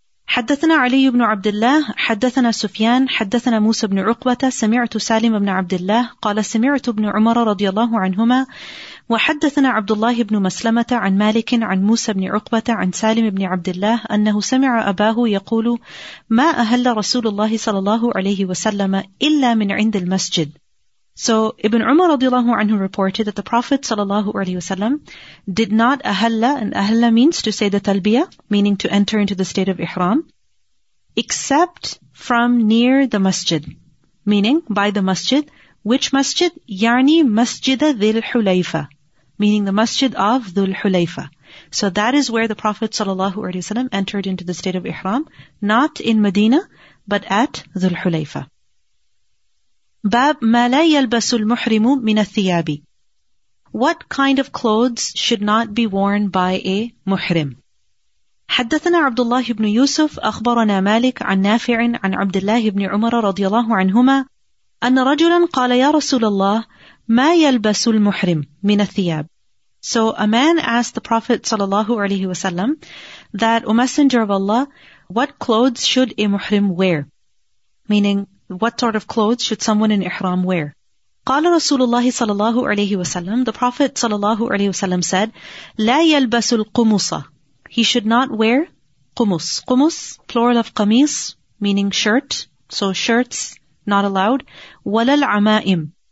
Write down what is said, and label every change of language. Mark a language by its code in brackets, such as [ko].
[ar] حدثنا علي بن عبد الله حدثنا سفيان حدثنا موسى بن عقبة سمعت سالم بن عبد الله قال سمعت ابن عمر رضي الله عنهما وحدثنا عبد الله بن مسلمة عن مالك عن موسى بن عقبة عن سالم بن عبد الله أنه سمع أباه يقول ما أهل رسول الله صلى الله عليه وسلم إلا من عند المسجد. [en] So Ibn Umar radiallahu anhu reported that the Prophet sallallahu alayhi wasallam did not ahalla, and ahalla means to say the talbiyah, meaning to enter into the state of ihram, except from near the masjid, meaning by the masjid. Which masjid? [ar] Yani masjida dhul hulayfa, [en] meaning the masjid of dhul hulayfa. So that is where the Prophet sallallahu alayhi wasallam entered into the state of ihram, not in Medina, but at dhul hulayfa. [ar] Bab ma la yalbasu al-muhrimu min al-thiyabi. [en] What kind of clothes should not be worn by a muhrim? [ar] حدثنا عبد الله بن يوسف أخبرنا مالك عن نافع عن عبد الله بن عمر رضي الله عنهما أن رجلا قال يا رسول الله ما يلبس المحرم من الثياب. [en] So a man asked the Prophet صلى الله عليه وسلم that, O Messenger of Allah, what clothes should a muhrim wear? Meaning, what sort of clothes should someone in ihram wear? [ar] قال رسول الله صلى الله عليه وسلم, [en] the Prophet صلى الله عليه وسلم said, [ar] لا يلبس القمصة. [en] He should not wear قمص. قمص, plural of قميص, meaning shirt. So shirts, not allowed. [ar] ولا العمائم.